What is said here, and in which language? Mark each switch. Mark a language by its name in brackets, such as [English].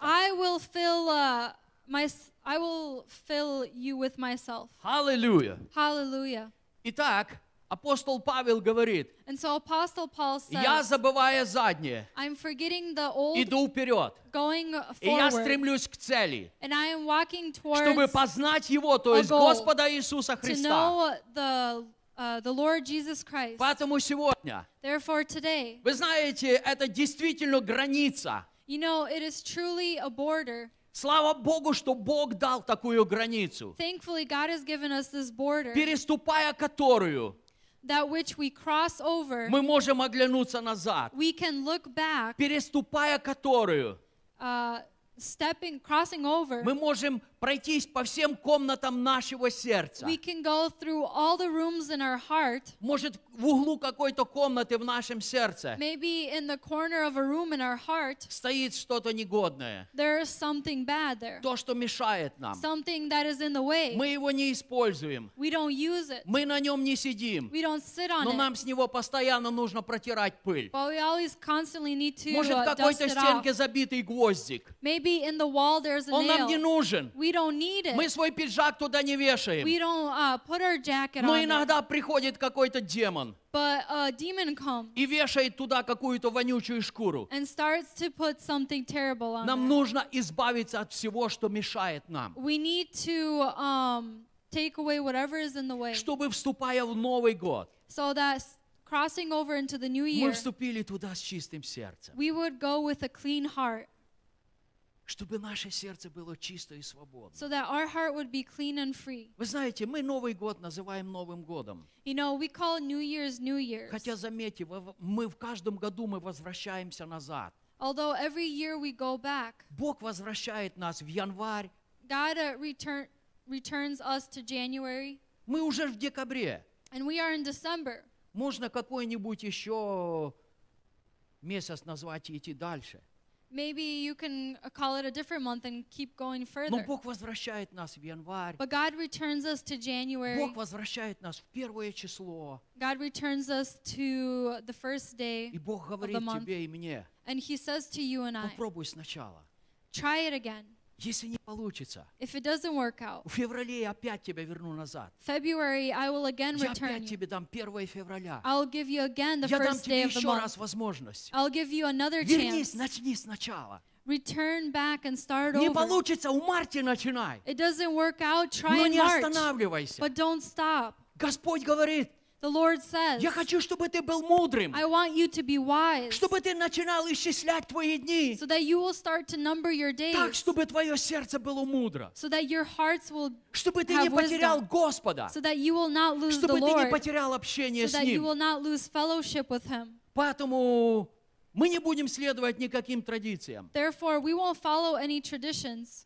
[English] I will fill I will fill you with myself. Hallelujah. Hallelujah. [Russian] Итак, апостол Павел говорит, [English] and so Apostle Paul says, [Russian] я забывая заднее, [English] I'm forgetting the old, [Russian] иду вперед, [English] going forward, [Russian] и я стремлюсь к цели, [English] and I am walking towards, [Russian] чтобы познать Его, то есть Господа Иисуса Христа. [English] To know the Lord Jesus Christ. [Russian] Поэтому сегодня, [English] therefore today, [Russian] вы знаете, это действительно граница. [English] You know, it is truly a border. [Russian] Слава Богу, что Бог дал такую границу, [English] thankfully, God has given us this border, [Russian] переступая которую [English] that which we cross over, [Russian] мы можем оглянуться назад, [English] we can look back, [Russian] переступая которую [English] stepping, crossing over, [Russian] мы можем пройтись по всем комнатам нашего сердца. [English] We can go through all the rooms in our heart. [Russian] Может, в углу какой-то комнаты в нашем сердце. [English] Maybe in the corner of a room in our heart. [Russian] Стоит что-то негодное. [English] There is something bad there. [Russian] То, что мешает нам. [English] Something that is in the way. [Russian] Мы его не используем. [English] We don't use it. [Russian] Мы на нем не сидим. [English] We don't sit on [Russian] но [English] it. [Russian] Но нам с него постоянно нужно протирать пыль. [English] But we always constantly need to [Russian] может, [English] dust it off. [Russian] Может, в какой-то стенке забитый гвоздик. [English] Maybe in the wall there's a [Russian] он [English] nail. [Russian] Он нам не нужен. [English] We don't need it. [Russian] Мы свой пиджак туда не вешаем. [English] We don't put our jacket on. [Russian] Но иногда приходит какой-то демон. [English] But a demon comes. [Russian] И вешает туда какую-то вонючую шкуру. [English] And starts to put something terrible on. [Russian] Нам нужно избавиться от всего, что мешает нам. [English] We need to take away whatever is in the way. [Russian] Чтобы вступая в новый год. [English] So that crossing over into the new year. [Russian] Мы вступили туда с чистым сердцем. [English] We would go with a clean heart. [Russian] Чтобы наше сердце было чисто и свободно. [English] So that our heart would be clean and free. [Russian] Вы знаете, мы Новый год называем Новым годом. [English] You know, we call New Year's New Year's. [Russian] Хотя заметьте, мы в каждом году мы возвращаемся назад. [English] Although every year we go back. [Russian] Бог возвращает нас в январь. [English] God returns us to January. [Russian] Мы уже в декабре. [English] And we are in December. [Russian] Можно какой-нибудь еще месяц назвать и идти дальше. [English] Maybe you can call it a different month and keep going further. [Russian] Но Бог возвращает нас в январь. [English] But God returns us to January. [Russian] Бог возвращает нас в первое число. [English] God returns us to the first day of the month. [Russian] И Бог говорит тебе и мне. [English] And He says to you and I. [Russian] Попробуй сначала. [English] Try it again. [Russian] Если не получится. [English] If it doesn't work out. [Russian] В феврале я опять тебя верну назад. [English] February I will again return. [Russian] Я опять тебе дам 1 февраля. [English] I'll give you again the first day of the month. [Russian] Я дам тебе еще раз возможность. [English] I'll give you another [Russian] вернись, [English] chance. [Russian] Вернись, начни сначала. [English] Return back and start [Russian] не [English] over. [Russian] Не получится, у Марти начинай. [English] It doesn't work out, try in March. [Russian] Но не останавливайся. [English] But don't stop. [Russian] Господь говорит. [English] The Lord says, [Russian] я хочу, чтобы ты был мудрым. [English] I want you to be wise. [Russian] Чтобы ты начинал исчислять твои дни. [English] So that you will start to number your days. [Russian] Так, чтобы твое сердце было мудро. [English] So that your hearts will have wisdom. [Russian] Чтобы ты не потерял Господа. [English] So that you will not lose [Russian] чтобы [English] the Lord. [Russian] Чтобы ты не потерял общение [English] so [Russian] с Ним. [English] So that you will not lose fellowship with Him. [Russian] Поэтому мы не будем следовать никаким традициям. [English] Therefore, we won't follow any traditions.